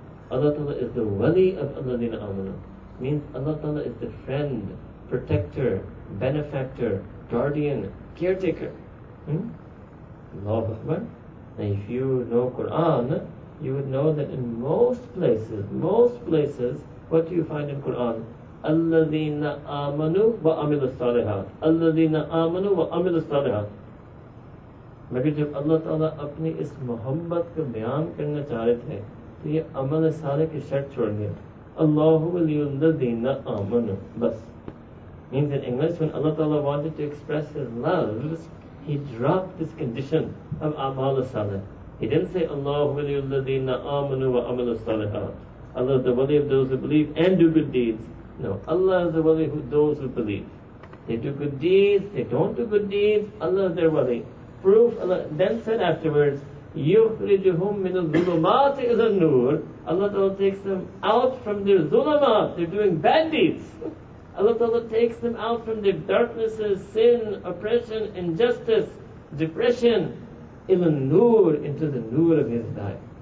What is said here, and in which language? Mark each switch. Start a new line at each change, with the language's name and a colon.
English: Allah Ta'ala is the wali of alladhina amanu. Means Allah Ta'ala is the friend, protector, benefactor, guardian, caretaker. Allahu Akbar. And if you know Quran, you would know that in most places, what do you find in Quran?
Arabic: الَّذِينَ آمَنُوا وَأَمِلُوا الصَّالِحَاتِ
Urdu: الَّذِينَ آمَنُوا وَأَمِلُوا الصَّالِحَاتِ مگر جب اللہ تعالیٰ اپنی اس محبت کو بیان کرنا چاہ رہے تھے تو یہ عمل صالح کی شرط چھوڑ دیا
Arabic: اللہ ولی الذین آمنوا
Urdu: بس
English: means in English when Allah تعالیٰ wanted to express his love he dropped this condition of عمال صالح he didn't say
Arabic: اللہ ولی الذین آمنوا وَأَمِلُوا الصَّالِحَاتِ
English: Allah is the wali of those who believe and do good deeds No, Allah is the wali who those who believe. They do good deeds, they don't do good deeds, Allah is their wali. Proof, Allah then said afterwards,
Arabic: يُخْرِجُهُمْ مِنَ الظُّلُمَاتِ إِلَى النُّورِ
English: Allah Ta'ala takes them out from their zulamat, they're doing bad deeds. Allah Ta'ala takes them out from their darknesses, sin, oppression, injustice, depression,
Arabic: إِلَى النُّورِ,
English: into the nur of His life.